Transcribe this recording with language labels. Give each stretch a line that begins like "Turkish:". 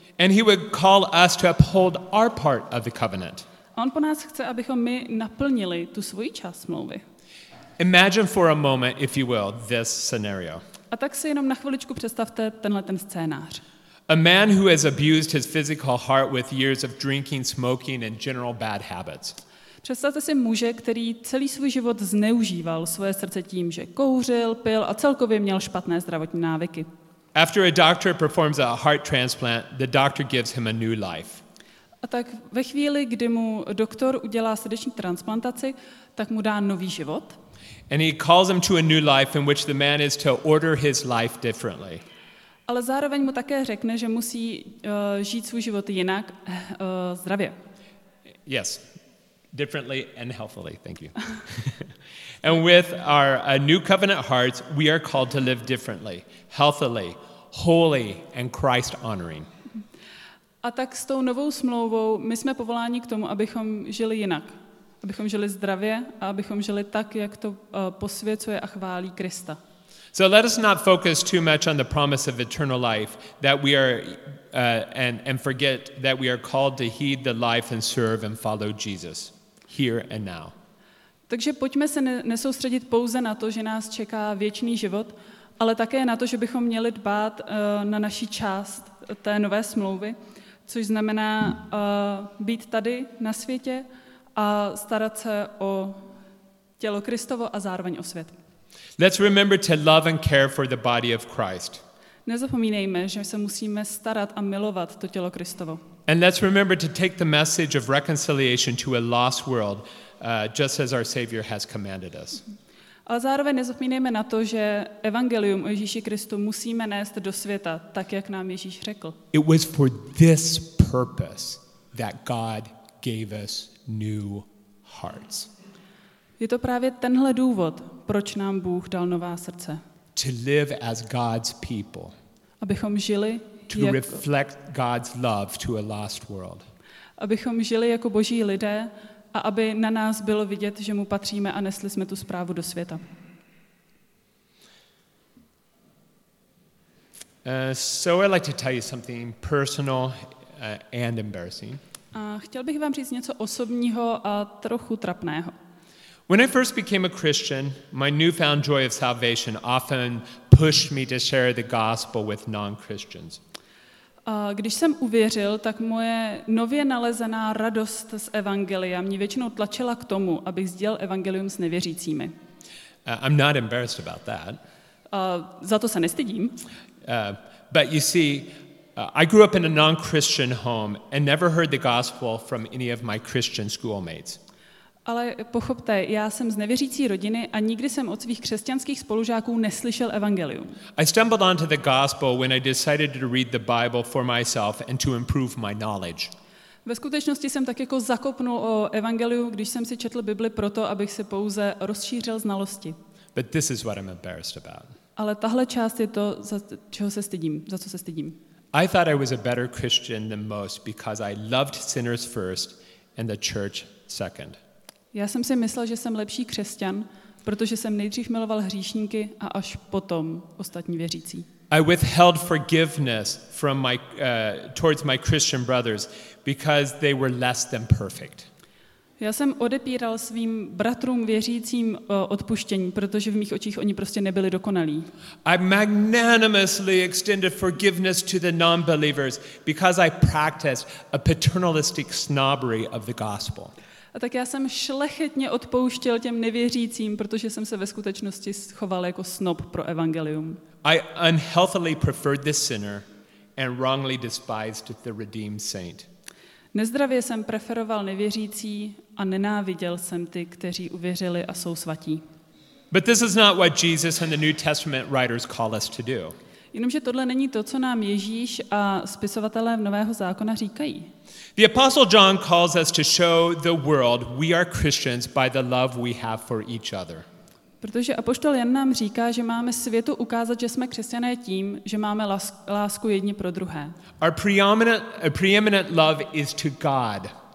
English: And he would call us to uphold our part of the covenant.
Czech: On po nás chce, abychom my naplnili tu svoji část smlouvy.
English: Imagine for a moment, if you will, this scenario.
Czech: A tak si jenom na chviličku představte tenhle ten scénář.
English: A man who has abused his physical heart with years of drinking, smoking and general bad habits.
Czech: Představte si muže, který celý svůj život zneužíval svoje srdce tím, že kouřil, pil a celkově měl špatné zdravotní návyky.
English: After a doctor performs a heart transplant, the doctor gives him a new life.
Czech: A tak ve chvíli, kdy mu doktor udělá srdeční transplantaci, tak mu dá nový život.
English: And he calls him to a new life in which the man is to order his life differently.
Czech: Ale zároveň mu také řekne, že musí žít svůj život jinak, zdravě.
English: Yes. Differently and healthily. Thank you. And with our new covenant hearts, we are called to live differently, healthily, holy and Christ honoring.
Czech: A tak s tou novou smlouvou my jsme povoláni k tomu, abychom žili jinak. Abychom žili zdravě a abychom žili tak, jak to posvěcuje a chválí Krista.
English: So let us not focus too much on the promise of eternal life that we are and forget that we are called to heed the life and serve and follow Jesus here and now.
Czech: Takže pojďme se nesoustředit pouze na to, že nás čeká věčný život, ale také na to, že bychom měli dbát na naši část té nové smlouvy. Což znamená být tady na světě a starat se o tělo Kristovo a zároveň o svět.
English: Let's remember to love and care for the body of Christ.
Czech: Nezapomínejme, že se musíme starat a milovat to tělo Kristovo.
English: And let's remember to take the message of reconciliation to a lost world, just as our Savior has commanded us.
Czech: A zároveň nezapomínejme na to, že evangelium o Ježíši Kristu musíme nést do světa, tak jak nám Ježíš řekl.
English: It was for this purpose that God gave us new hearts.
Czech: Je to právě tenhle důvod, proč nám Bůh dal nová srdce.
English: To live as God's people.
Czech: Abychom žili
English: to reflect God's love to a lost world.
Czech: Abychom žili jako boží lidé. A aby na nás bylo vidět, že mu patříme a nesli jsme tu zprávu do světa.
English: So I'd like to tell you something personal and embarrassing.
Czech: A chtěl bych vám říct něco osobního a trochu trapného.
English: When I first became a Christian, my newfound joy of salvation often pushed me to share the gospel with non-Christians.
Czech: Když jsem uvěřil, tak moje nově nalezená radost z evangelia mě většinou tlačila k tomu, abych sdílel evangelium s nevěřícími.
English: I'm not embarrassed about that.
Czech: Za to se nestydím.
English: But you see, I grew up in a non-Christian home and never heard the gospel from any of my Christian schoolmates.
Czech: Ale pochopte, já jsem z nevěřící rodiny a nikdy jsem od svých křesťanských spolužáků neslyšel evangelium.
English: I stumbled onto the gospel when I decided to read the Bible for myself and to improve my knowledge.
Czech: Ve skutečnosti jsem tak jako zakopnul o evangeliu, když jsem si četl Bibli proto, abych se pouze rozšířil znalosti.
English: But this is what I'm embarrassed about.
Czech: Ale tahle část je to, za čeho se stydím, za co se stydím.
English: I thought I was a better Christian than most because I loved sinners first and the church second.
Czech: Já jsem si myslel, že jsem lepší křesťan, protože jsem nejdřív miloval hříšníky a až potom ostatní věřící.
English: I withheld forgiveness from my towards my Christian brothers because they were less than perfect.
Czech: Já jsem odepíral svým bratrům věřícím odpuštění, protože v mých očích oni prostě nebyli dokonalí.
English: I magnanimously extended forgiveness to the non-believers because I practiced a paternalistic snobbery of the gospel.
Czech: A tak já jsem šlechetně odpouštěl těm nevěřícím, protože jsem se ve skutečnosti choval jako snob pro evangelium.
English: I unhealthily preferred the sinner and wrongly despised the redeemed saint.
Czech: Nezdravě jsem preferoval nevěřící a nenáviděl jsem ty, kteří uvěřili a jsou svatí.
English: But this is not what Jesus and the New Testament writers call us to do.
Czech: Jenomže tohle není to, co nám Ježíš a spisovatelé Nového zákona říkají.
English: The apostle John calls us to show the world we are Christians by the love we have for each other.
Czech: Protože apoštol Jan nám říká, že máme světu ukázat, že jsme křesťané tím, že máme lásku jedni pro druhé.
English: Our preeminent love is to God.